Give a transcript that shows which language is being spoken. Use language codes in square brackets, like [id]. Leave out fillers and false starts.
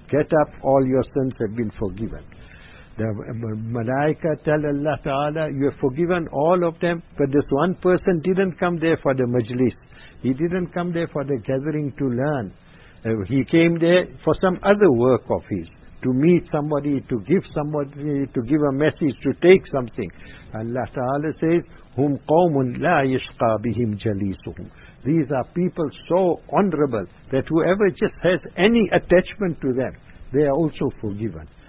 [en] Get up, all your sins have been forgiven. The Malaika tell Allah Ta'ala, you have forgiven all of them, but this one person didn't come there for the majlis. He didn't come there for the gathering to learn. He came there for some other work of his, to meet somebody, to give a message, to take something. Allah Ta'ala says, [ar] هُمْ قَوْمٌ لَا يَشْقَى بِهِمْ جَلِيسُهُمْ. [en] These are people so honorable that whoever just has any attachment to them, they are also forgiven.